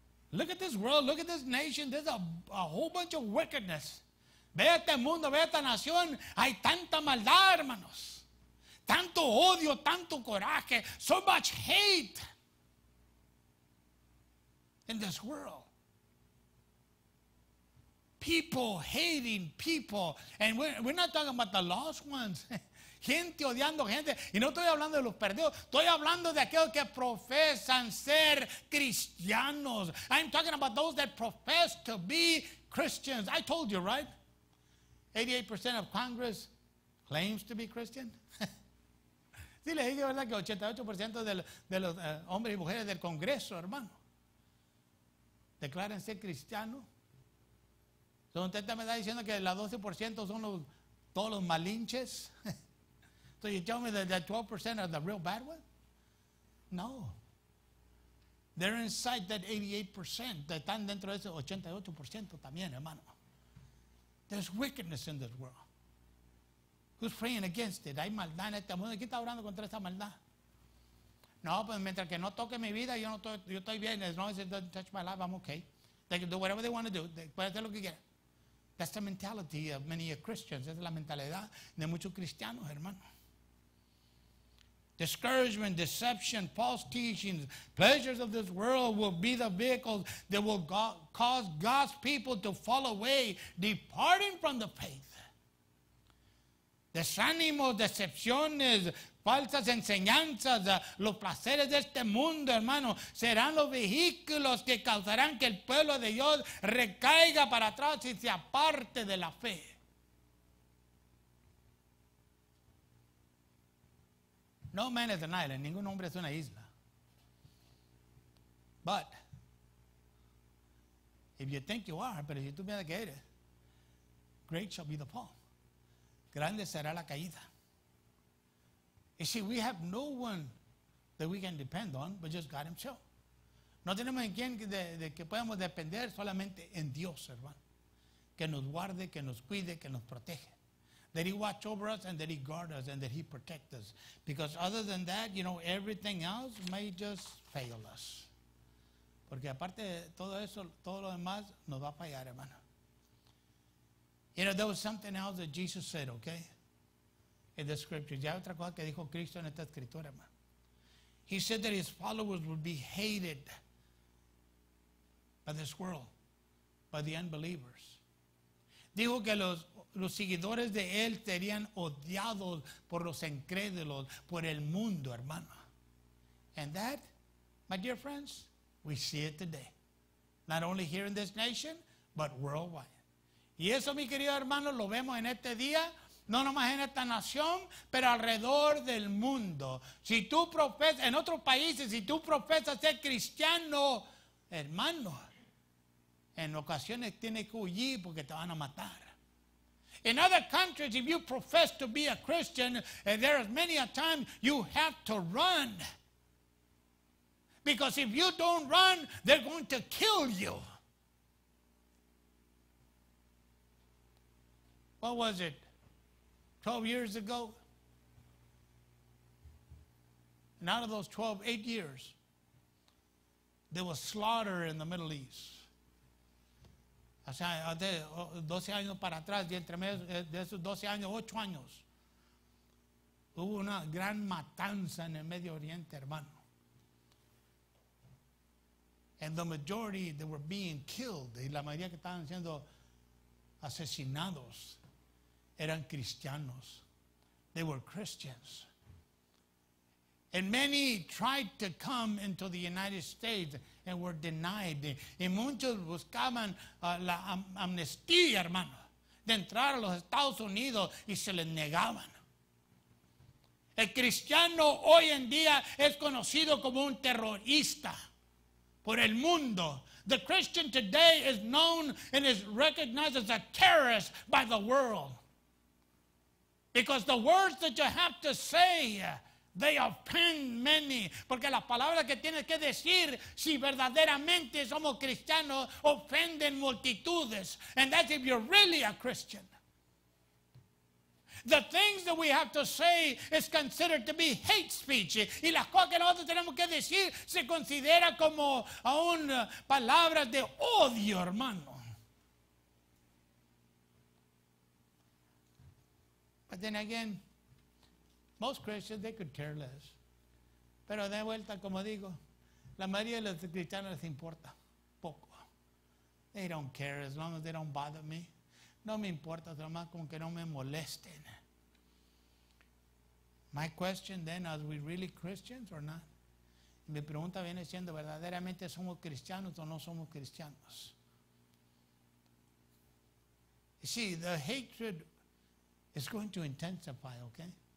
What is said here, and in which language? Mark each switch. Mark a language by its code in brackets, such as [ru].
[en] Look at this world, look at this nation, there's a whole bunch of wickedness. [es] Ve este mundo, ve esta nación, hay tanta maldad, hermanos. Tanto odio, tanto coraje, [en] so much hate in this world. People hating people. And we're not talking about the lost ones. [es] Gente odiando gente. Y no estoy hablando de los perdidos. Estoy hablando de aquellos que profesan ser cristianos. [en] I'm talking about those that profess to be Christians. I told you, right? 88% of Congress claims to be Christian. [es] Sí, le dije, ¿verdad? Que 88% de los hombres y mujeres del Congreso, hermano, declaran ser cristianos. Entonces usted me está diciendo que la 12% son todos los malinches. [en] So you tell me that the 12% are the real bad ones? No. They're inside that 88%. [es] Están dentro de ese 88% también, hermano. [en] There's wickedness in this world. Who's praying against it? [es] Hay maldad en este mundo. ¿Quién está orando contra esa maldad? No, pues mientras que no toque mi vida, yo estoy bien. [en] As long as it doesn't touch my life, I'm okay. They can do whatever they want to do. [es] Pueden hacer lo que quieran. [en] That's the mentality of many Christians. [es] Es la mentalidad de muchos cristianos, hermano. [en] Discouragement, deception, false teachings, pleasures of this world will be the vehicles that will cause God's people to fall away, departing from the faith. [es] Desánimo, decepciones, falsas enseñanzas, los placeres de este mundo, hermano, serán los vehículos que causarán que el pueblo de Dios recaiga para atrás y se aparte de la fe. [en] No man is an island. [es] Ningún hombre es una isla. [en] But if you think you are, [es] pero si tú piensas que eres, [en] great shall be the fall. [es] Grande será la caída. [en] You see, we have no one that we can depend on, but just God himself. [es] No tenemos en quien de que podamos depender, solamente en Dios, hermano. Que nos guarde, que nos cuide, que nos protege. [en] That he watch over us and that he guard us and that he protect us. Because other than that, you know, everything else may just fail us. [es] Porque aparte de todo eso, todo lo demás nos va a fallar, hermano. [en] You know, there was something else that Jesus said, okay? In the scriptures. [es] Ya otra cosa que dijo Cristo en esta escritura, hermano. [en] He said that his followers would be hated by this world, by the unbelievers. [es] Dijo que los seguidores de él serían odiados por los incrédulos, por el mundo, hermano. [en] And that, my dear friends, we see it today. Not only here in this nation, but worldwide. [es] Y eso, mi querido hermano, lo vemos en este día. No nomás en esta nación, pero alrededor del mundo. Si tú profesas, en otros países, si tú profesas ser cristiano, hermano, en ocasiones tienes que huir porque te van a matar. [en] In other countries, if you profess to be a Christian, there are many a time you have to run. Because if you don't run, they're going to kill you. What was it? 12 years ago, and out of those 12, 8 years, there was slaughter in the Middle East. [es] O sea, hace 12 años para atrás, y entre medio de esos 12 años, 8 años, hubo una gran matanza en el Medio Oriente, hermano. [en] And the majority that were being killed, [es] y la mayoría que estaban siendo asesinados, eran cristianos. [en] They were Christians. And many tried to come into the United States and were denied. [es] Y muchos buscaban la amnistía, hermano, de entrar a los Estados Unidos y se les negaban. El cristiano hoy en día es conocido como un terrorista por el mundo. [en] The Christian today is known and is recognized as a terrorist by the world. Because the words that you have to say, they offend many. [es] Porque las palabras que tienes que decir, si verdaderamente somos cristianos, ofenden multitudes. [en] And that's if you're really a Christian. The things that we have to say is considered to be hate speech. [es] Y las cosas que nosotros tenemos que decir se considera como aún palabras de odio, hermano. [en] But then again, most Christians, they could care less. [es] Pero de vuelta, como digo, la mayoría de los cristianos les importa poco. [en] They don't care as long as they don't bother me. [es] No me importa, nomás con que no me molesten. [en] My question then, are we really Christians or not? [es] Y mi pregunta viene siendo, ¿verdaderamente somos cristianos o no somos cristianos? [en] You see, the hatred, it's going to intensify, okay?